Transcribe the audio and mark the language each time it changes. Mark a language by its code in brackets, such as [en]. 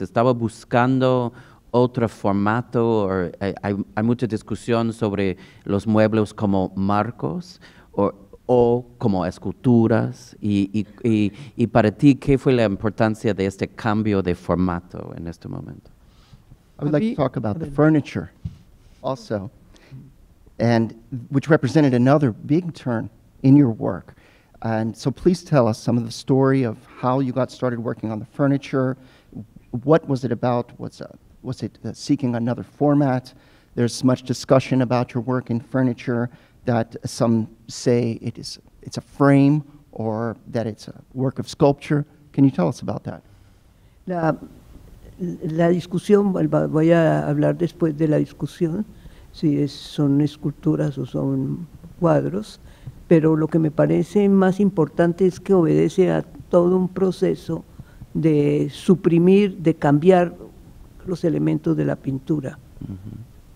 [es] Estaba buscando otro formato, hay mucha discusión sobre los muebles como marcos o como esculturas, y para ti, ¿qué fue la importancia de este cambio de formato en este momento? [en] I would like to talk about the furniture also, and which represented another big turn in your work. And so please tell us some of the story of how you got started working on the furniture. What was it about? Was it seeking another format? There's much discussion about your work in furniture that some say it's a frame or that it's a work of sculpture. Can you tell us about that? [es] La discusión, voy a hablar después de la discusión, si son esculturas o son cuadros, pero lo que me parece más importante es que obedece a todo un proceso de suprimir, de cambiar los elementos de la pintura. Mm-hmm.